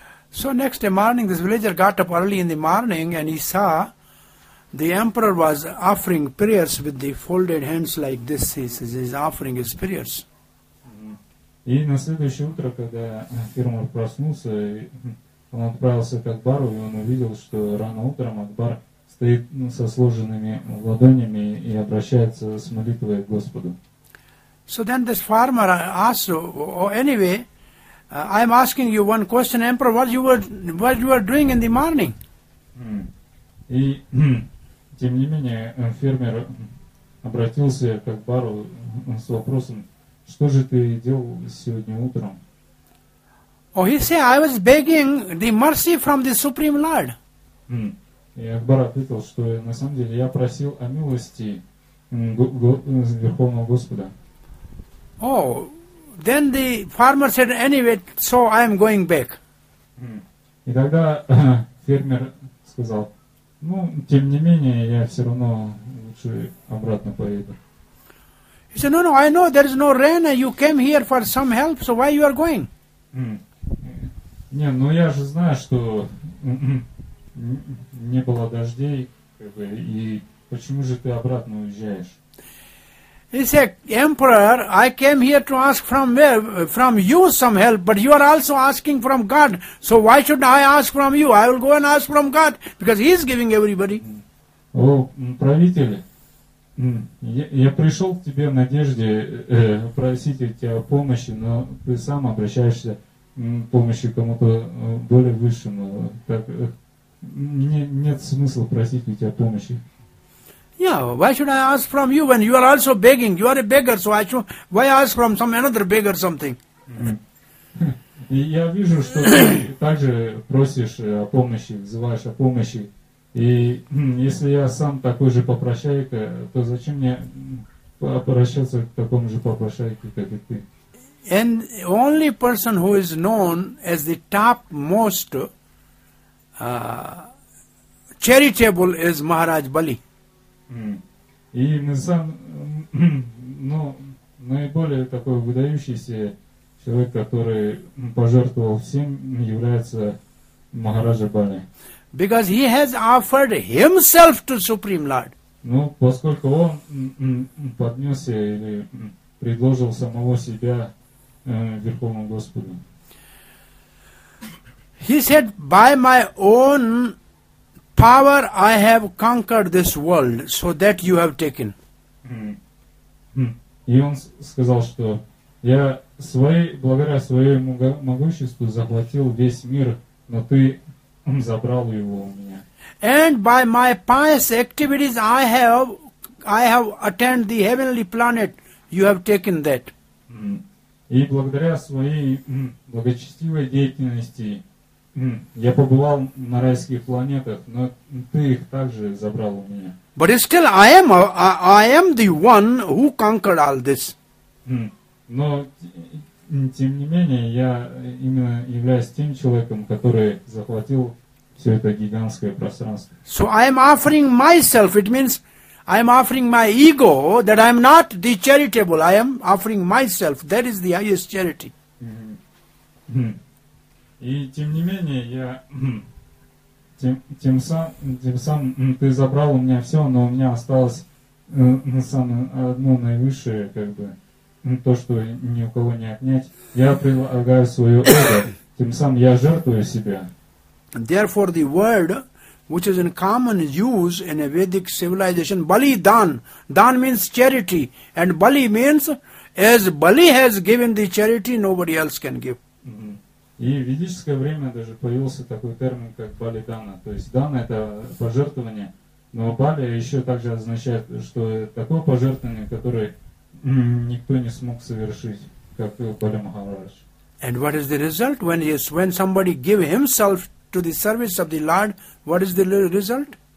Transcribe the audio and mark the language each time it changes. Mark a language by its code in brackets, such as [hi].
[en] So next day morning, this villager got up early in the morning and he saw the emperor was offering prayers with the folded hands like this. He says he's offering his prayers. [ru] И на следующее утро, когда фермер проснулся, он отправился к Акбару, и он увидел, что рано утром Акбар стоит со сложенными ладонями и обращается с молитвой к Господу. [en] So then this farmer asked, oh, anyway, I'm asking you one question, Emperor, what you were doing in the morning? [ru] И тем не менее, фермер обратился к Акбару с вопросом, что же ты делал сегодня утром? [en] Oh, he said, I was begging the mercy from the Supreme Lord. [ru] И Акбар ответил, что на самом деле я просил о милости Верховного Господа. [en] Oh, then the farmer said, anyway, so I am going back. [ru] И тогда фермер сказал, ну, тем не менее, я все равно лучше обратно поеду. [en] He said, no, I know there is no rain, you came here for some help, so why you are going? [ru] Не, ну я же знаю, что не было дождей, и почему же ты обратно уезжаешь? [en] He said, Emperor, I came here to ask from you some help, but you are also asking from God, so why should I ask from you? I will go and ask from God, because He is giving everybody. [ru] О, правитель, я пришел к тебе в надежде просить у тебя помощи, но ты сам обращаешься помощи кому-то более высшему. Так, нет смысла просить у тебя помощи. [en] Yeah, why should I ask from you when you are also begging? You are a beggar, so why ask from some another beggar something? [ru] Я вижу, что ты также просишь о помощи, взываешь о помощи. И если я сам такой же попрощайка, то зачем мне обращаться к такому же попрощайке, как и ты? [en] And only person who is known as the topmost charitable is Maharaj Bali. [ru] И мы сам, ну, наиболее такой выдающийся человек, который пожертвовал всем, является Махараджа Бали. [en] Because he has offered himself to Supreme Lord. [ru] Ну, поскольку он поднесся или предложил самого себя Верховному Господу. [en] He said, by my own power I have conquered this world, so that you have taken. [ru] И он сказал, что я благодаря своему могуществу захватил весь мир, но ты забрал его у меня. [en] And by my pious activities I have attained the heavenly planet, you have taken that. [ru] И благодаря своей благочестивой деятельности я побывал на райских планетах, но ты их также забрал у меня. [en] But still I am the one who conquered all this. [ru] Но тем не менее я именно являюсь тем человеком, который захватил все это гигантское пространство. [en] So I am offering myself, it means I am offering my ego, that I am not the charitable, I am offering myself, that is the highest charity. [ru] И тем не менее, я тем самым ты забрал у меня все, но у меня осталось одно наивысшее, как бы, то, что ни у кого не отнять. Я предлагаю свое эго, тем самым я жертвую себя. [en] Therefore, the word which is in common use in a Vedic civilization, Bali Dan. Dan means charity, and Bali means as Bali has given the charity, nobody else can give. [ru] И в ведическое время даже появился такой термин, как Bali Dana. То есть Dana — это пожертвование, но Bali еще также означает, что такое пожертвование, которое никто не смог совершить, как Bali Maharaj. [en] And what is the result? When somebody give himself to the service of the Lord, what is the result?